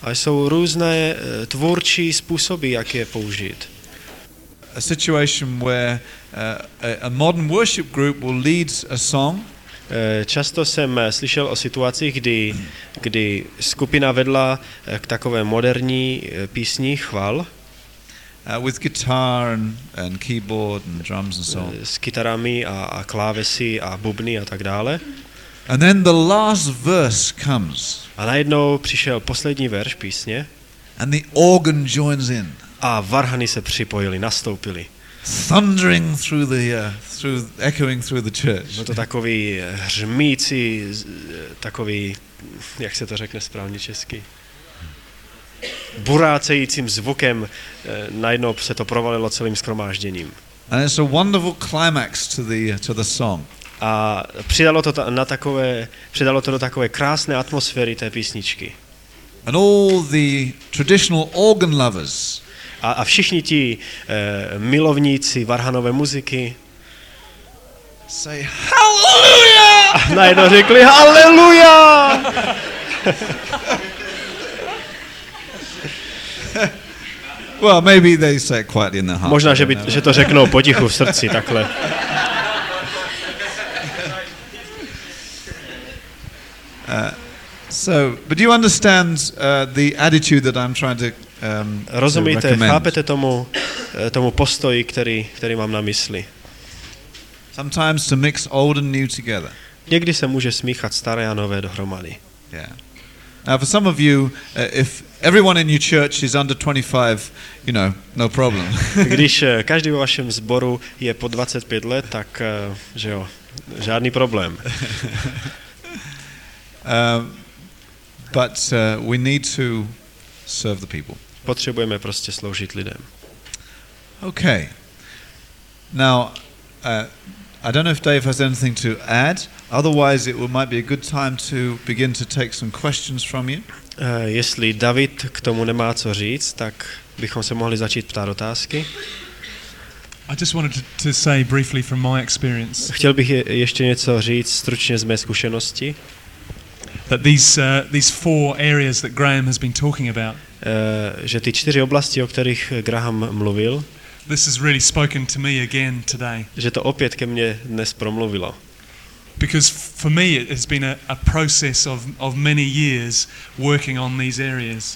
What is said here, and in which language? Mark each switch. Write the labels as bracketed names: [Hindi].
[Czech] A jsou různé tvůrčí způsoby, jak je použít. [English] A situation where a modern worship group will lead a song. [Czech] Často jsem slyšel o situacích, kdy skupina vedla k takové moderní písni chval. [English] With guitar and keyboard and drums and so on. [Czech] S kytarami a klávesy a bubny a tak dále. [English] And then the last verse comes. [Czech] A najednou přišel poslední verš písně. [English] And the organ joins in. [Czech] A varhany se připojily, nastoupily. [English] Thundering through the echoing through the church. [Czech] Bylo to takový hřmící, takový, jak se to řekne správně česky, burácejícím zvukem, najednou se to provalilo celým shromážděním. [English] And it's a wonderful climax to the song. [Czech] A přidalo to do takové krásné atmosféry té písničky. [English] And all the traditional organ lovers. [Czech] A všichni ti milovníci varhanové muziky [English] say hallelujah. [Czech] Najednou řekli hallelujah. [English] Well, maybe they say it quietly in their heart. [Czech] Možná, že to řeknou potichu v srdci takhle. [English] But do you understand the attitude that I'm trying to [Czech] rozumíte, chápete tomu postoji, který mám na mysli. [English] Sometimes to mix old and new together. [Czech] Někdy se může smíchat staré a nové dohromady. [English] Yeah. Now for some of you, if everyone in your church is under 25, you know, no problem. [Czech] Když každý ve vašem sboru je pod 25 let, tak že jo, žádný problém. [English] But we need to serve the people. [Czech] Potřebujeme prostě sloužit lidem. [English] Okay. Now, I don't know if Dave has anything to add. Otherwise, it might be a good time to begin to take some questions from you. [Czech] Jestli David k tomu nemá co říct, tak bychom se mohli začít ptát otázky. [English] I just wanted to say briefly from my experience. [Czech] Chtěl bych ještě něco říct stručně z mé zkušenosti. [English] That these four areas that Graham has been talking about. [Czech] Že ty čtyři oblasti, o kterých Graham mluvil. [English] This has really spoken to me again today. [Czech] Že to opět ke mně dnes promluvilo. [English] Because for me it has been a process of many years working on these areas.